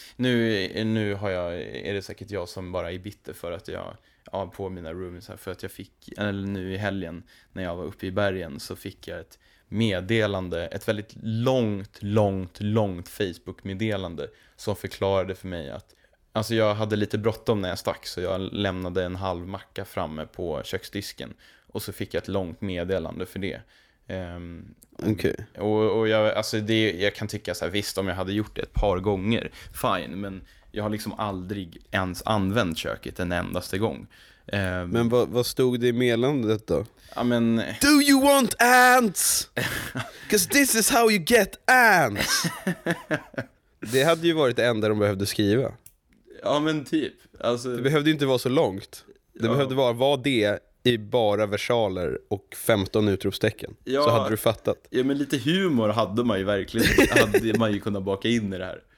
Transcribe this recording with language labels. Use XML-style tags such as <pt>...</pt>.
<sv>Nu har jag, är det säkert jag som bara är bitter för att jag har på mina roomies här, för att jag fick, eller nu i helgen när jag var uppe i bergen, så fick jag ett meddelande, ett väldigt långt Facebook-meddelande som förklarade för mig att, alltså jag hade lite bråttom när jag stack, så jag lämnade en halv macka framme på köksdisken och så fick jag ett långt meddelande för det. Okay. Och jag, alltså det, jag kan tycka så här, visst, om jag hade gjort det ett par gånger, fine, men jag har liksom aldrig ens använt köket en endaste gång. Men vad stod det i meddelandet då? Ja, men</sv> <en>do you want ants? 'Cause this is how you get ants.</en> <sv>Det hade ju varit det enda de behövde skriva. Ja, men typ, alltså, det behövde inte vara så långt. Det behövde bara vara det i bara versaler och 15 utropstecken. Ja, så hade du fattat. Ja, men lite humor hade man ju verkligen hade man ju kunnat baka in i det här.</sv>